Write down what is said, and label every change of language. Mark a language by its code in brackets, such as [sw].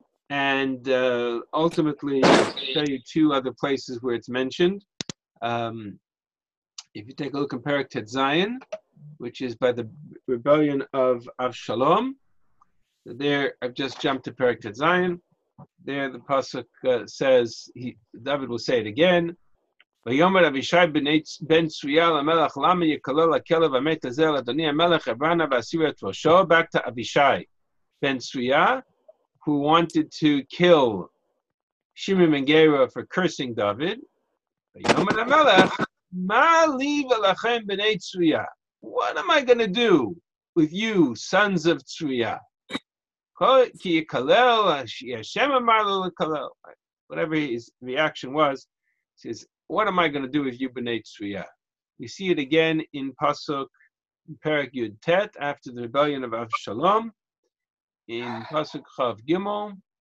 [en] And ultimately, I'll show you two other places where it's mentioned. If you take a look in Perek Tetzayin, which is by the rebellion of Avshalom, there, I've just jumped to Perek Tetzayin. There the Pasuk says, David will say it again, [he] ויאמר אבישי בן צרויה למלך, למה יקלל לכלב המת הזה לאדוני המלך עברנה ואסיר את ראשו? [en] Back to אבישי בן צרויה, who wanted to kill Shimon ben Gera for cursing David. [he] ויאמר המלך, מה לי ולכם בני צרויה? [en] What am I going to do with you, sons of צרויה? [he] כי יקלל, השם אמר לו לקלל. [en] Whatever his reaction was, he says, what am I going to do with you, B'nai Tzuya? We see it again in Pasuk, Perek Yud Tet, after the rebellion of Avshalom, in Pasuk Chav Gimel.